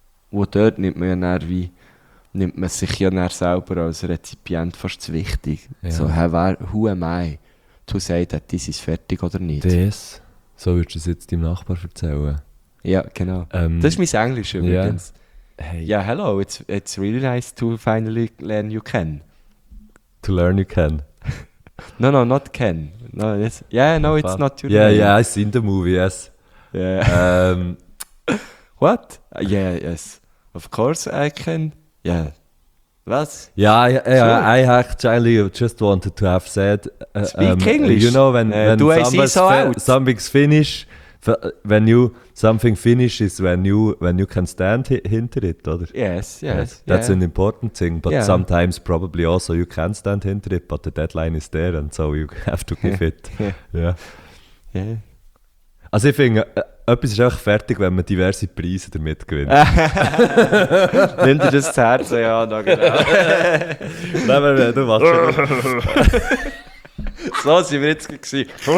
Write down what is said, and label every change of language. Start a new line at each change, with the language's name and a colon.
German: Wo dort nimmt man sich ja dann selber als Rezipient fast zu wichtig. Ja.
English: So, who am I to say that this is
German: fertig oder nicht? Das? So würdest du es jetzt deinem Nachbar erzählen? Ja, genau. Das ist mein Englisch übrigens.
English: Ja, hello, it's really nice to finally learn you can. To learn you can. No, no, not Ken. No, it's, yeah, no, it's not your name. Yeah, yeah, I've seen the movie, yes. Yeah. What? Yeah, yes. Of course I can. Yeah.
German: Was?
English: Yeah, I actually just wanted to have said... Speak English. You know, when something's finished, when you... Something finishes when you can stand
German: hinter
English: it,
German: oder?
English: Yes. That's an important thing, but sometimes probably also you can stand
German: hinter
English: it, but the deadline is there, and so you have to give it. Yeah.
German: Also ich finde, etwas ist einfach fertig, wenn man diverse Preise damit gewinnt. Nimm dir das zu Herzen, ja, da genau. Nein, wenn du machst schon. So sind wir jetzt gewesen.